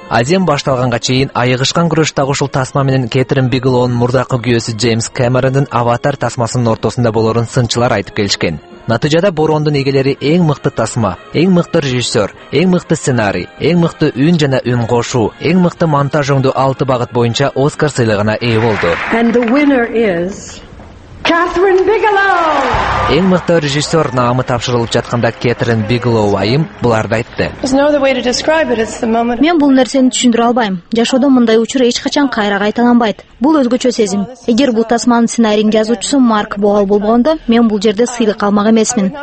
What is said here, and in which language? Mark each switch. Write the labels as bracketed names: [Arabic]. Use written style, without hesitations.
[Kyrgyz] Азем башталганга чейин айыгышкан күрөштөгү ушул тасма менен Кэтрин Биглоунун мурдакы күйөөсү Джеймс Кэмерондун Аватар тасмасынын ортосунда болорун сынчылар айтып келишкен. Натыйжада Бороондун эгелери эң мыкты тасма, эң мыкты режиссер, эң мыкты сценарий, эң мыкты үн жана үн кошуу, эң мыкты монтаж жөндө 6 багыт боюнча Оскар сыйлыгына ээ болду. [English] And the winner is Кэтрин Биглоу. [Kyrgyz] Эң мыкты режиссер наамы тапшырылып жатканда Кэтрин Биглоу айым буларды айтты. Мен бул нерсени түшүндүрө албайм. Жашоодо мындай учур эч качан кайра кайталанбайт. Бул өзгөчө сезим. Эгер бул тасманын сценарийин жазуучусу Марк Боал болбогондо, мен бул жерде сыйлык алмак эмесмин.